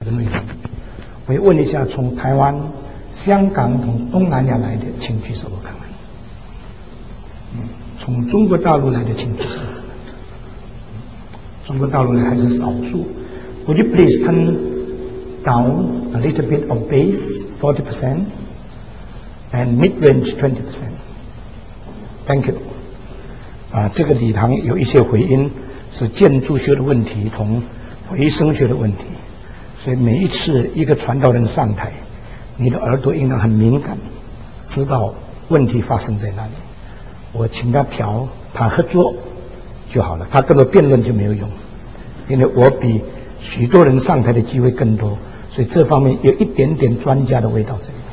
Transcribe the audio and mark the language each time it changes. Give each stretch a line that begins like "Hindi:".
Chinese: 朋友，我也问一下，从台湾、香港从东南亚来的，请举手，我看看。从中国大陆来的，请举手。中国大陆人还是少数。
English: Would you please turn down a little bit of bass, 40%, and mid-range 20%? Thank you.
Chinese: 啊，这个礼堂有一些回音，是建筑学的问题同回声学的问题。所以每一次一个传道人上台，你的耳朵应当很敏感，知道问题发生在哪里。我请他调，他合作就好了，他跟我辩论就没有用，因为我比许多人上台的机会更多，所以这方面有一点点专家的味道在。